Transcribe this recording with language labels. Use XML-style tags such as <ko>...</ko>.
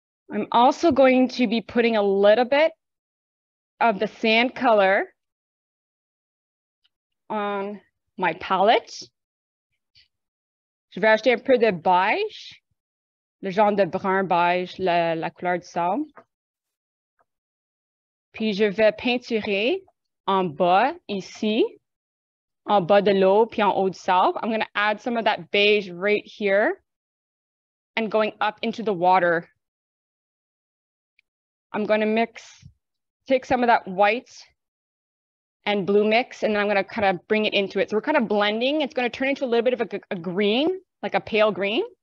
<en>I'm also going to be putting a little bit of the sand color on my palette.</en> <fr>Je vais acheter un peu de beige. Le genre de brun beige, la couleur du sable. Puis je vais peinturer en bas ici, en bas de l'eau, puis en haut du sable.</fr> <en>I'm going to add some of that beige right here and going up into the water. I'm going to take some of that white and blue mix, and then I'm going to kind of bring it into it. So we're kind of blending. It's going to turn into a little bit of a green, like a pale green.</en>